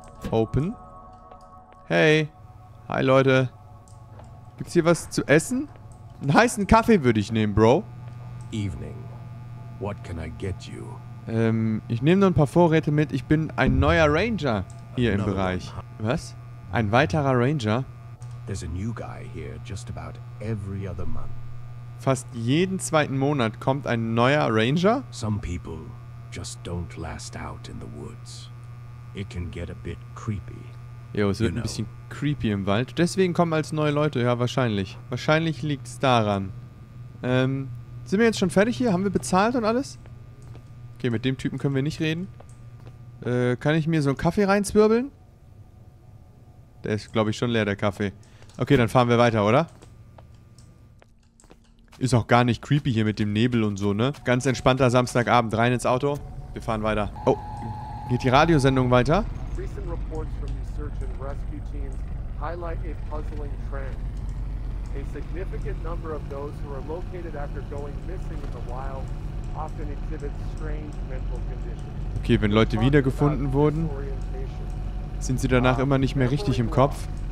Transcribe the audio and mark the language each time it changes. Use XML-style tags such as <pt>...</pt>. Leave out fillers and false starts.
<de>Open. Hey. Hi, Leute. Gibt's hier was zu essen? Einen heißen Kaffee würde ich nehmen, Bro.</de> <en>Evening. What can I get you?</en> <de>Ich nehme nur ein paar Vorräte mit. Ich bin ein neuer Ranger hier im Bereich. Was? Ein weiterer Ranger?</de> <en>There's a new guy here just about every other month.</en> <de>Fast jeden zweiten Monat kommt ein neuer Ranger.</de> <en>Some people just don't last out in the woods. It can get a bit creepy.</en> <de>Jo, es wird ein bisschen creepy im Wald. Deswegen kommen als neue Leute, ja, wahrscheinlich. Wahrscheinlich liegt es daran. Sind wir jetzt schon fertig hier? Haben wir bezahlt und alles? Okay, mit dem Typen können wir nicht reden. Kann ich mir so einen Kaffee reinzwirbeln? Der ist, glaube ich, schon leer, der Kaffee. Okay, dann fahren wir weiter, oder? Ist auch gar nicht creepy hier mit dem Nebel und so, ne? Ganz entspannter Samstagabend. Rein ins Auto. Wir fahren weiter. Oh, geht die Radiosendung weiter?</de> <en>Recent reports from the search and rescue teams highlight a puzzling trend. A significant number of those who are located after going missing in the wild often exhibit strange mental conditions.</en> <de>Okay, wenn Leute wiedergefunden wurden, sind sie danach immer nicht mehr richtig im Kopf.</de>